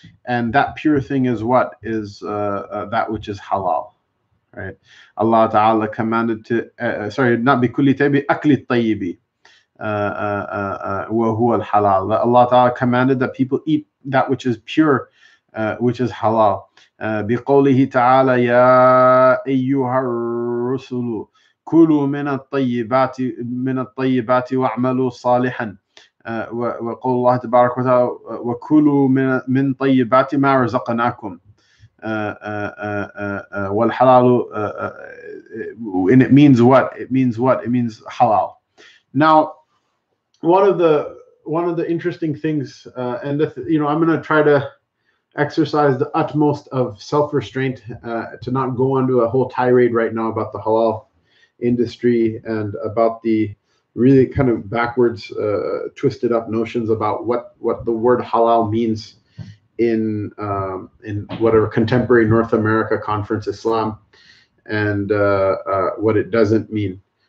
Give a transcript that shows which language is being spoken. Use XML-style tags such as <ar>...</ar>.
<en>And that pure thing is what? Is that which is halal. Right? Allah Ta'ala commanded to, not</en> <ar>بِكُلِّ طَيِّبٍ, أَكْلِ الطَّيِّبِ وَهُوَ الْحَلَالُ.</ar> <en>That Allah Ta'ala commanded that people eat that which is pure, which is halal.</en> <ar>بقوله تعالى يا أيها الرسل كلوا من الطيبات واعملوا صالحا وقول الله تبارك وتعالى وكلوا من طيبات ما رزقناكم والحلال</ar> <en>and it means halal. Now one of the interesting things, and if, you know, I'm going to try to exercise the utmost of self-restraint to not go onto a whole tirade right now about the halal industry and about the really kind of backwards, twisted up notions about what the word halal means in whatever contemporary North America conference Islam, and what it doesn't mean.</en>